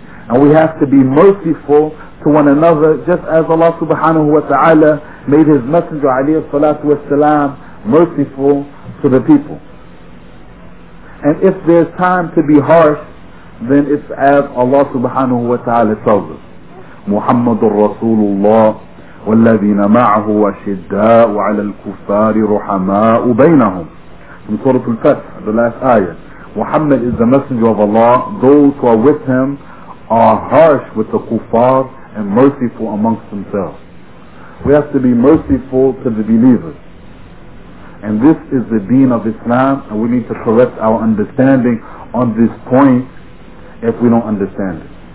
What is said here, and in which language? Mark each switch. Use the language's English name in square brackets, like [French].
[English] And we have to be merciful to one another, just as Allah subhanahu wa ta'ala made His Messenger alayhi salatu wa salam merciful to the people. And if there's time to be harsh, then it's as Allah subhanahu wa ta'ala tells us. [Arabic] Muhammadur Rasulullah والذين معه أشداء على الكفار رحماء بينهم. [English] From Surah Al-Fath, the last ayah. Muhammad is the Messenger of Allah. Those who are with him are harsh with the kuffar and merciful amongst themselves. We have to be merciful to the believers. And this is the deen of Islam, and we need to correct our understanding on this point if we don't understand it.